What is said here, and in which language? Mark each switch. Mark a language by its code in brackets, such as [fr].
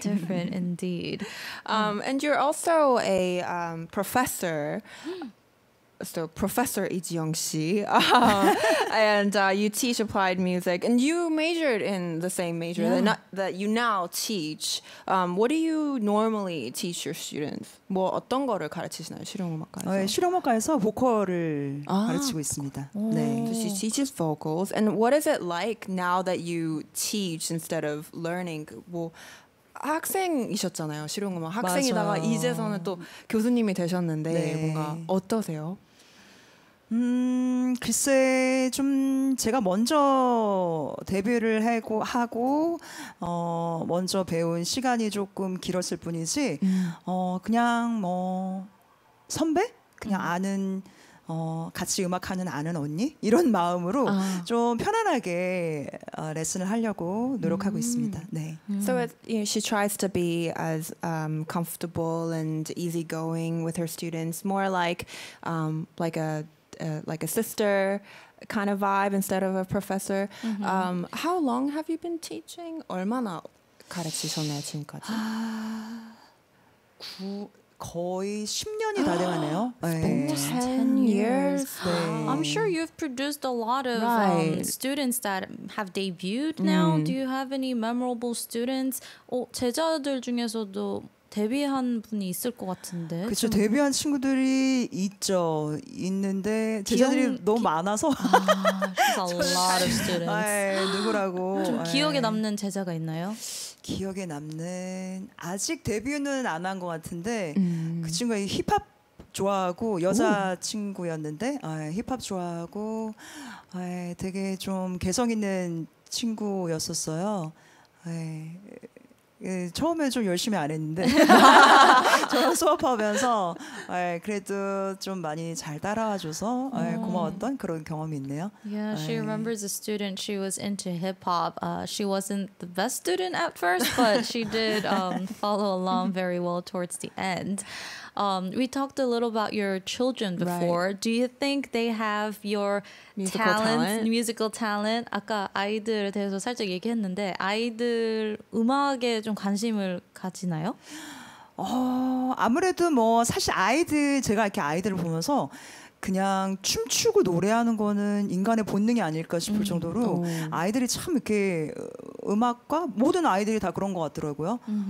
[en] different indeed. And you're also a professor. So Professor 이지영씨 and you teach applied music and you majored in the same major that you now teach. What do you normally teach your students? [ko] 뭐 어떤 거를 가르치시나요? 실용음악과에서? 네, 실용음악과에서 보컬을 가르치고 있습니다. 네. [en] So she teaches vocals. And what is it like now that you teach instead of learning? [ko] 뭐 학생이셨잖아요. 실용음악 학생이다가 맞아요. 이제서는 또 교수님이 되셨는데 네. 뭔가 어떠세요? 글쎄 좀 제가 먼저 데뷔를 하고 먼저 배운 시간이 조금 길었을 뿐이지 그냥 뭐 선배? 그냥 아는 같이 음악하는 아는 언니? 이런 마음으로 좀 편안하게 레슨을 하려고 노력하고 있습니다. 네. [en] So it, you know, she tries to be as comfortable and easygoing with her students, more like a sister kind of vibe instead of a professor. How long have you been teaching? [ko] 얼마나 가르치셨나요 지금까지? 거의 10년이 다 되었네요. [en] 10 years. [ko] 네. [en] I'm sure you've produced a lot of students that have debuted now. Do you have any memorable students? [ko] 제자들 중에서도 데뷔한 분이 있을 것 같은데. 그렇죠. 데뷔한 친구들이 있죠. 있는데 제자들이 너무 많아서. 아, [en] she's a lot of students. [ko] 아이, 누구라고. 좀 기억에 남는 제자가 있나요? 기억에 남는 아직 데뷔는 안 한 것 같은데 그 친구가 힙합 좋아하고 여자 친구였는데 힙합 좋아하고 되게 좀 개성 있는 친구였었어요. 처음에 좀 열심히 안 했는데 저는 수업하면서 그래도 좀 많이 잘 따라와줘서 고마웠던 그런 경험이 있네요. [en] Yeah, she remembers a student. She was into hip-hop. She wasn't the best student at first, but she did follow along very well towards the end. We talked a little about your children before. Right. Do you think they have your musical talent? [ko] 아까 아이들에 대해서 살짝 얘기했는데 아이들 음악에 좀 관심을 가지나요? 아무래도 뭐 사실 아이들 제가 이렇게 아이들을 보면서 그냥 춤추고 노래하는 거는 인간의 본능이 아닐까 싶을 정도로 아이들이 참 이렇게 음악과 모든 아이들이 다 그런 것 같더라고요.